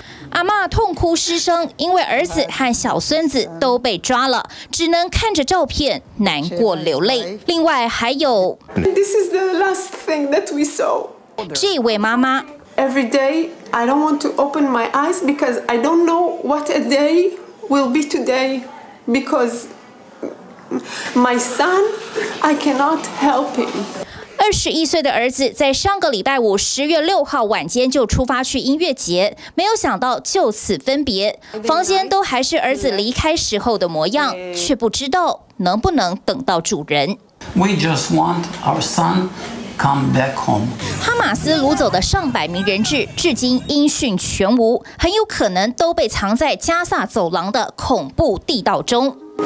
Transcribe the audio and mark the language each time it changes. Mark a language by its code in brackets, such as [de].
[zh] 阿嬷痛哭失声，因为儿子和小孙子都被抓了，只能看着照片难过流泪。另外还有 [en] This is the last thing that we saw. [zh] 这位妈妈 [en] Every day I don't want to open my eyes because I don't know what a day will be today because my son I cannot help him. [zh] 21岁的儿子在上个礼拜五10月6号晚间就出发去音乐节，没有想到就此分别，房间都还是儿子离开时候的模样，却不知道能不能等到主人。 [en] We just want our son come back home. [zh] 哈马斯掳走的上百名人质至今音讯全无，很有可能都被藏在加萨走廊的恐怖地道中。